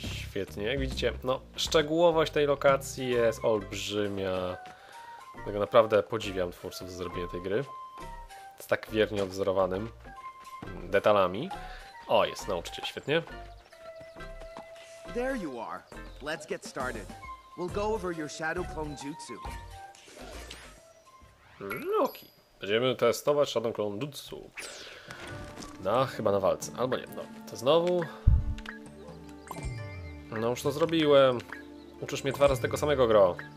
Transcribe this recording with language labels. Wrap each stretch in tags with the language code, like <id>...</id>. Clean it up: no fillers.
<pl>świetnie. Jak widzicie, no, szczegółowość tej lokacji jest olbrzymia. Tego naprawdę podziwiam twórców za zrobienie tej gry. Z tak wiernie odwzorowanym detalami. O, jest nauczyciel, świetnie.</pl> <en>There you are. Let's get started. We'll go over your shadow clone jutsu. Loki.</en> <pl>Będziemy testować shadow clone jutsu. No, chyba na walce. Albo nie. No, to znowu. No, już to zrobiłem. Uczysz mnie dwa razy tego samego, gro.</pl>